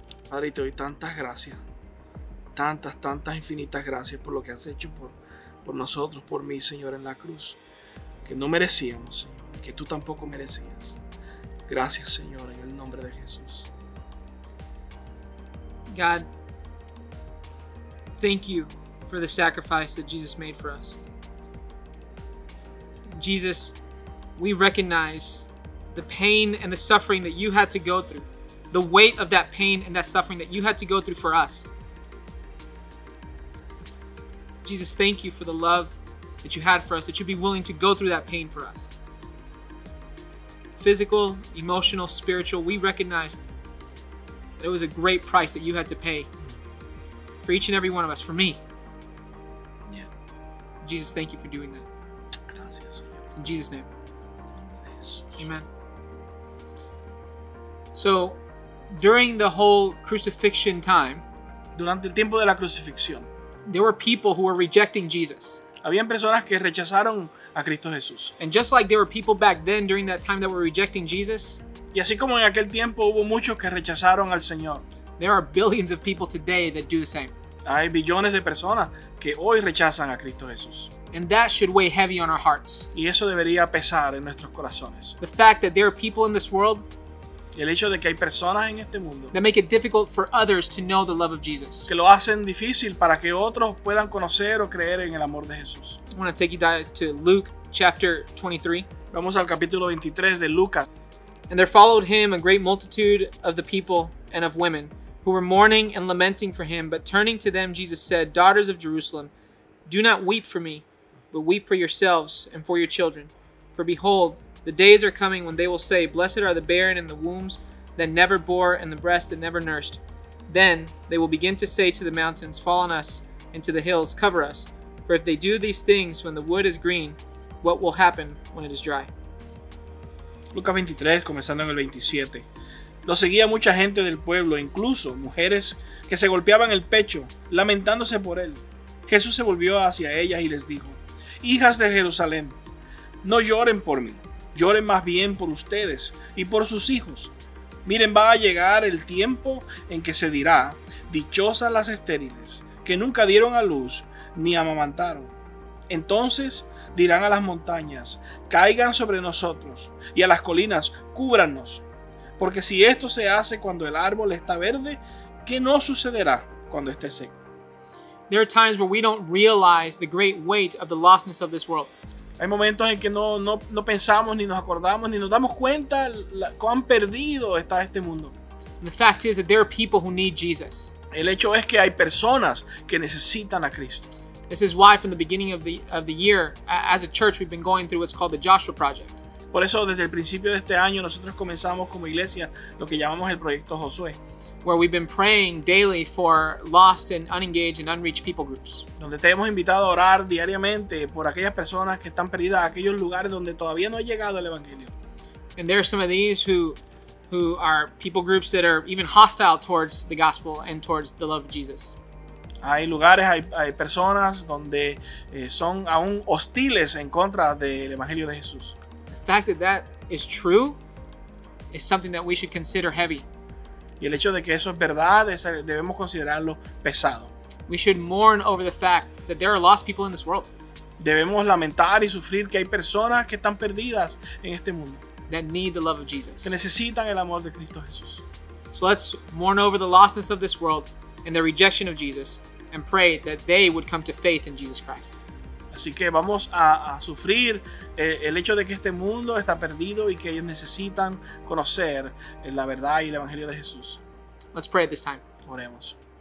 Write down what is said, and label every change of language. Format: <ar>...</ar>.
<es>Padre, te doy tantas gracias, tantas, tantas infinitas gracias por lo que has hecho por nosotros, por mí, Señor, en la cruz, que no merecíamos, Señor, que tú tampoco merecías. Gracias, Señor, en el nombre de Jesús.</es> <en>God, thank you for the sacrifice that Jesus made for us. Jesus, we recognize the pain and the suffering that you had to go through, the weight of that pain and that suffering that you had to go through for us. Jesus, thank you for the love that you had for us, that you'd be willing to go through that pain for us. Physical, emotional, spiritual, we recognize that it was a great price that you had to pay for each and every one of us, for me. Yeah. Jesus, thank you for doing that.</en> <es>Gracias, Señor.</es> <en>It's in Jesus' name. Amen. So, during the whole crucifixion time,</en> <es>durante el tiempo de la crucifixión,</es> <en>there were people who were rejecting Jesus.</en> <es>Habían personas que rechazaron a Cristo Jesús.</es> <en>And just like there were people back then during that time that were rejecting Jesus,</en> <es>y así como en aquel tiempo hubo muchos que rechazaron al Señor,</es> <en>there are billions of people today that do the same.</en> <es>Hay billones de personas que hoy rechazan a Cristo Jesús.</es> <en>And that should weigh heavy on our hearts.</en> <es>Y eso debería pesar en nuestros corazones.</es> <en>The fact that there are people in this world,</en> <es>el hecho de que hay personas en este mundo,</es> <en>that make it difficult for others to know the love of Jesus,</en> <es>que lo hacen difícil para que otros puedan conocer o creer en el amor de Jesús.</es> <en>I want to take you guys to Luke chapter 23.</en> <es>Vamos al capítulo 23 de Lucas.</es> <en>And there followed him a great multitude of the people and of women who were mourning and lamenting for him. But turning to them, Jesus said, "Daughters of Jerusalem, do not weep for me, but weep for yourselves and for your children. For behold, the days are coming when they will say, 'Blessed are the barren and the wombs that never bore and the breasts that never nursed.' Then they will begin to say to the mountains, 'Fall on us,' and to the hills, 'Cover us.' For if they do these things when the wood is green, what will happen when it is dry?"</en> <es>Lucas 23, comenzando en el 27. Lo seguía mucha gente del pueblo, incluso mujeres que se golpeaban el pecho, lamentándose por él. Jesús se volvió hacia ellas y les dijo, "Hijas de Jerusalén, no lloren por mí. Lloren más bien por ustedes y por sus hijos. Miren, va a llegar el tiempo en que se dirá, 'Dichosas las estériles, que nunca dieron a luz ni amamantaron.' Entonces dirán a las montañas, 'Caigan sobre nosotros,' y a las colinas, 'Cúbranos.' Porque si esto se hace cuando el árbol está verde, ¿qué no sucederá cuando esté seco?"</es> <en>There are times where we don't realize the great weight of the lostness of this world.</en> <es>Hay momentos en que no pensamos, ni nos acordamos, ni nos damos cuenta cuán perdido está este mundo.</es> <en>The fact is that there are people who need Jesus.</en> <es>El hecho es que hay personas que necesitan a Cristo.</es> <en>This is why from the beginning of the year, as a church, we've been going through what's called the Joshua Project.</en> <es>Por eso desde el principio de este año nosotros comenzamos como iglesia lo que llamamos el Proyecto Josué.</es> <en>Where we've been praying daily for lost and unengaged and unreached people groups.</en> <es>Donde te hemos invitado a orar diariamente por aquellas personas que están perdidas, aquellos lugares donde todavía no ha llegado el evangelio.</es> <en>And there are some of these who are people groups that are even hostile towards the gospel and towards the love of Jesus.</en> <es>Hay lugares, hay personas donde son aún hostiles en contra del evangelio de Jesús.</es> <en>The fact that that is true is something that we should consider heavy.</en> <es>Y el hecho de que eso es verdad, debemos considerarlo pesado.</es> <en>We should mourn over the fact that there are lost people in this world.</en> <es>Debemos lamentar y sufrir que hay personas que están perdidas en este mundo.</es> <en>That need the love of Jesus.</en> <es>Que necesitan el amor de Cristo Jesús.</es> <en>So let's mourn over the lostness of this world and the rejection of Jesus and pray that they would come to faith in Jesus Christ.</en> <es>Así que vamos a sufrir el hecho de que este mundo está perdido y que ellos necesitan conocer la verdad y el Evangelio de Jesús.</es> <en>Let's pray at this time.</en> <es>Oremos.</es>